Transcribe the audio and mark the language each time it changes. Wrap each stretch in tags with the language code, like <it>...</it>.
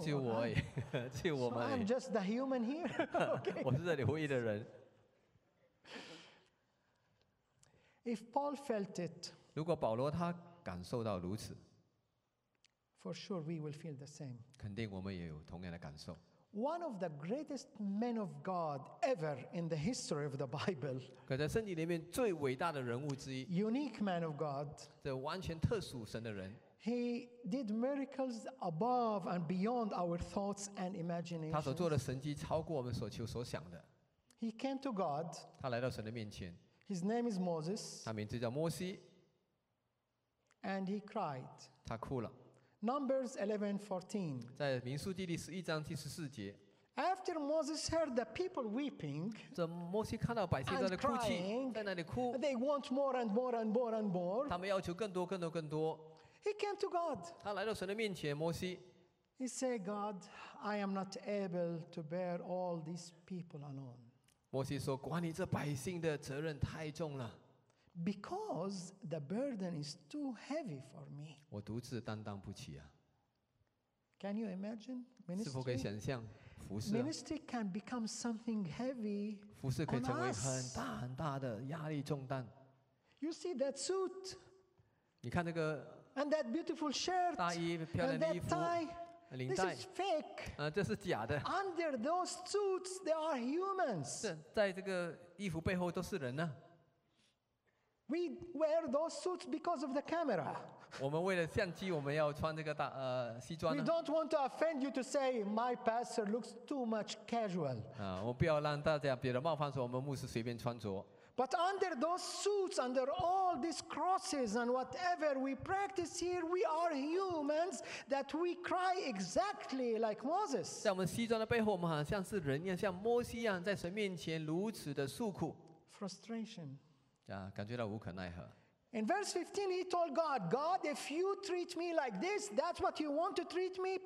<zh>就我而已，就我们而已。</zh> <en>So I'm just the human here. Okay.</en> <zh>我是这里唯一的人。</zh> <en>If Paul felt it,</en> <zh>如果保罗他感受到如此</zh> <en>，For sure we will feel the same.</en> <zh>肯定我们也有同样的感受。</zh> <en>One of the greatest men of God ever in the history of the Bible.</en> <zh>可在圣经里面最伟大的人物之一。</zh> <en>Unique man of God.</en> <zh>这完全特殊神的人。</zh> <en>He did miracles above and beyond our thoughts and imagination.</en> <zh>他所做的神迹超过我们所求所想的。</zh> <en>He came to God.</en> <zh>他来到神的面前。</zh> <en>His name is Moses.</en> <zh>他名字叫摩西。</zh> <en>And he cried.</en> <zh>他哭了。</zh> <en>Numbers 11:14.</en> <zh>在民数记第十一章第十四节。</zh> <en>After Moses heard the people weeping,</en> <zh>这摩西看到百姓在那哭泣，</zh> <en>crying,</en> <zh>在那里哭。</zh> <en>They want more and more and more and more.</en> <zh>他们要求更多更多更多。</zh> <en>He came to God.</en> <zh>他来到神的面前，摩西。</zh> <en>He said, "God, I am not able to bear all these people alone."</en> <zh>摩西说，管理这百姓的责任太重了。</zh> <en>Because the burden is too heavy for me.</en> <zh>我独自担当不起啊。</zh> <en>Can you imagine ministry?</en> <zh>是否可以想象服事？</zh> <en>Ministry can become something heavy.</en> <zh>服事可以成为很大很大的压力重担。</zh> <en>You see that suit?</en> <zh>你看那个。</zh> <en>And that beautiful shirt.</en> <zh>大衣，漂亮的衣服。</zh> <en>This is fake.</en> <zh>这是假的。</zh> <en>Under those suits, there are humans.</en> <zh>在这个衣服背后都是人呢。</zh> <en>We wear those suits because of the camera.</en> <zh>我们为了相机，我们要穿这个大西装。</zh> <en>We don't want to offend you to say my pastor looks too much casual.</en> <zh>我不要让大家别人冒犯说我们牧师随便穿着。</zh> <en>But under those suits, under all these crosses and whatever we practice here, we are humans that we cry exactly like Moses.</en> <zh>在我们西装的背后，我们好像是人一样，像摩西一样，在神面前如此的诉苦。</zh> <en>Frustration.</en> <zh>感觉到无可奈何。</zh> <en>In verse 15, he told God, "God, if you treat me like this, that's what you want to treat me.</en>